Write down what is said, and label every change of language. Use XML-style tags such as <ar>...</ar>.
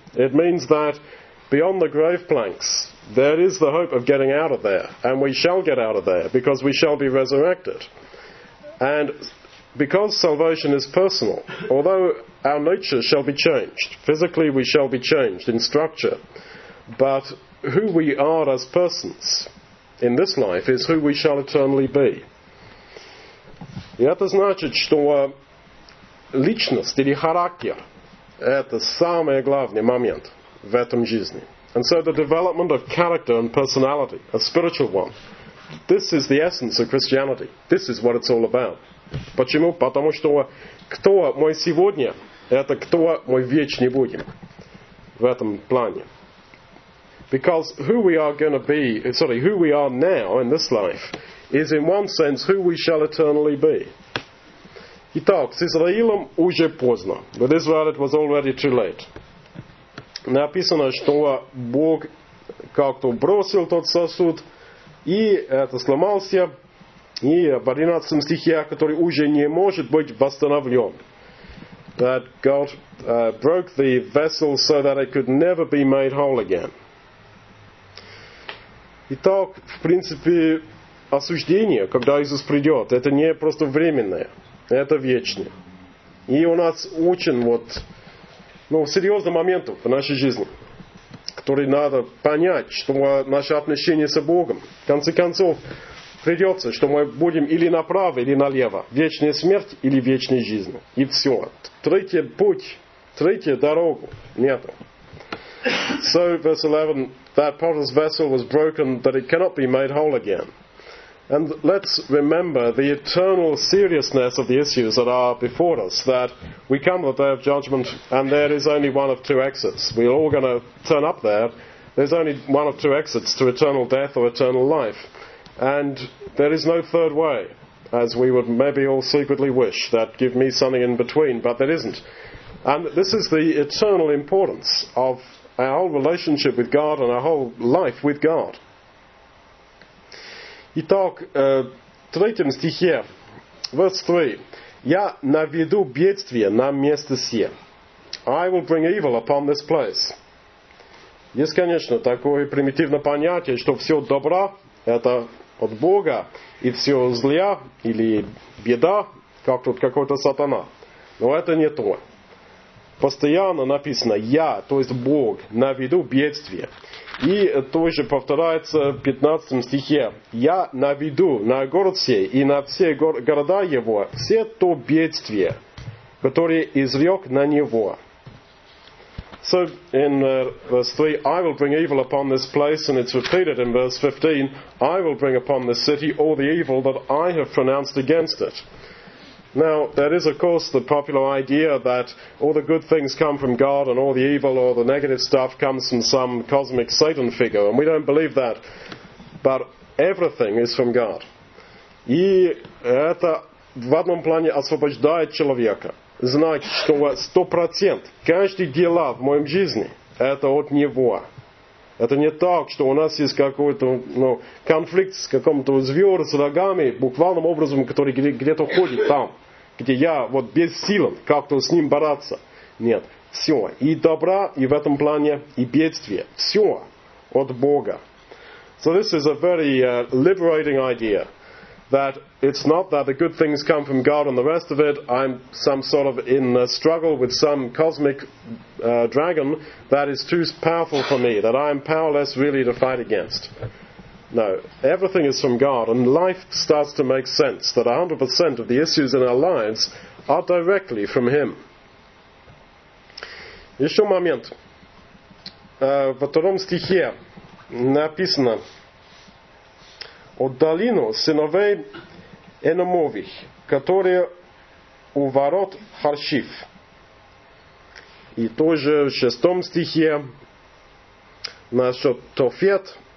<en>It means that beyond the grave planks, there is the hope of getting out of there, and we shall get out of there because we shall be resurrected. And because salvation is personal, although our nature shall be changed, physically we shall be changed in structure, but who we are as persons in this life is who we shall eternally be.</en> <ru>И это значит, что личность или характер – это самый главный момент в этом жизни.</ru> <en>And so the development of character and personality, a spiritual one, this is the essence of Christianity. This is what it's all about.</en> <ru>Почему? Потому что кто мы сегодня, это кто мы вечно будем в этом плане.</ru> <en>Because who we are going to be, sorry, who we are now in this life, is in one sense who we shall eternally be.</en> <ru>Итак, с Израилем уже поздно.</ru> <en>With Israel it was already too late.</en> <ru>Написано, что Бог как-то бросил тот сосуд, и это сломался, и в 11 стихе, который уже не может быть восстановлен.</ru> <en>That God broke the vessel so that it could never be made whole again.</en> <ru>Итак, в принципе, осуждение, когда Иисус придет, это не просто временное, это вечное. И у нас очень вот, ну, серьезный момент в нашей жизни, который надо понять, что наше отношение с Богом. В конце концов, придется, что мы будем или направо, или налево. Вечная смерть или вечная жизнь. И все. Третий путь, третья дорога нету.</ru> <en>So, verse 11, that potter's vessel was broken, that it cannot be made whole again. And let's remember the eternal seriousness of the issues that are before us, that we come to the day of judgment, and there is only one of two exits. We're all going to turn up there. There's only one of two exits to eternal death or eternal life. And there is no third way, as we would maybe all secretly wish, that give me something in between, but there isn't. And this is the eternal importance of our whole relationship with God and our whole life with God.</en> <ru>Итак, в третьем стихе,</ru> <en>verse 3,</en> <ru>«Я наведу бедствие на место сие».</ru> <en>I will bring evil upon this place.</en> <ru>Есть, конечно, такое примитивное понятие, что все добро – это от Бога, и все зле или беда, как тут какой-то сатана. Но это не то. Постоянно написано «Я», то есть Бог, наведу бедствие. И то же повторяется в 15 стихе. «Я наведу на город сей и на все города его все то бедствие, которое изрек на него».</ru> <en>So, in verse 3, «I will bring evil upon this place», and it's repeated in verse 15, «I will bring upon this city all the evil that I have pronounced against it». Now, there is, of course, the popular idea that all the good things come from God and all the evil or the negative stuff comes from some cosmic Satan figure, and we don't believe that. But everything is from God.</en> <ru>И это в одном плане освобождает человека. Знать, что 100% каждый дело в моем жизни – это от Него. Это не так, что у нас есть какой-то конфликт с каким-то звёрдом, с рогами, буквальным образом, который где-то ходит там, где я вот без сил как-то с ним бороться. Нет, все. И добра, и в этом плане, и бедствие. Все от Бога.</ru> <en>So this is a very liberating idea, that it's not that the good things come from God and the rest of it. I'm some sort of in a struggle with some cosmic dragon that is too powerful for me, that I am powerless really to fight against. No, everything is from God, and life starts to make sense, that 100% of the issues in our lives are directly from Him.</en> <ru>Еще момент. В втором стихе написано о долину сыновей Эномових, которые у ворот Харшив. И тоже в шестом стихе насчет Тофет,</ru>